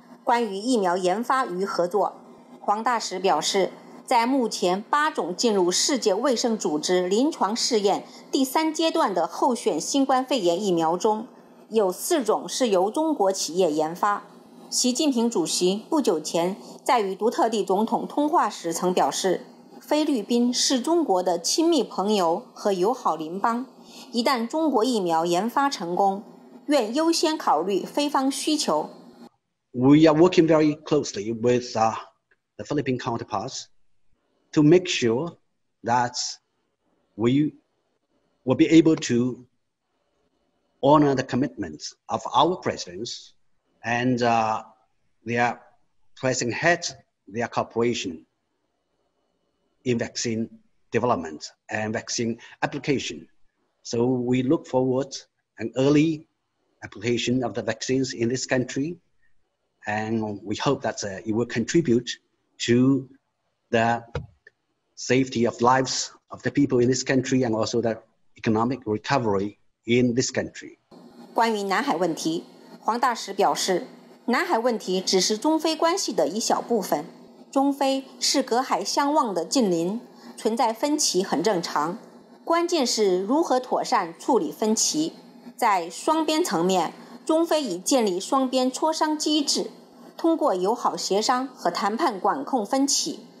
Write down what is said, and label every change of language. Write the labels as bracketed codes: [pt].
[zh] 关于疫苗研发与合作，黄大使表示，在目前8种进入世界卫生组织临床试验第3阶段的候选新冠肺炎疫苗中，有4种是由中国企业研发。习近平主席不久前在与独特地总统通话时曾表示，菲律宾是中国的亲密朋友和友好邻邦，一旦中国疫苗研发成功，愿优先考虑菲方需求。 [en] We are working very closely with the Philippine counterparts to make sure that we will be able to honor the commitments of our presidents and their pressing ahead their cooperation in vaccine development and vaccine application. So we look forward to an early application of the vaccines in this country. And we hope that it will contribute to the safety of lives of the people in this country and also the economic recovery in this country. [zh] 关于南海问题，黄大使表示，南海问题只是中非关系的一小部分。中非是隔海相望的近邻，存在分歧很正常。关键是如何妥善处理分歧。在双边层面，中非已建立双边磋商机制，通过友好协商和谈判管控分歧。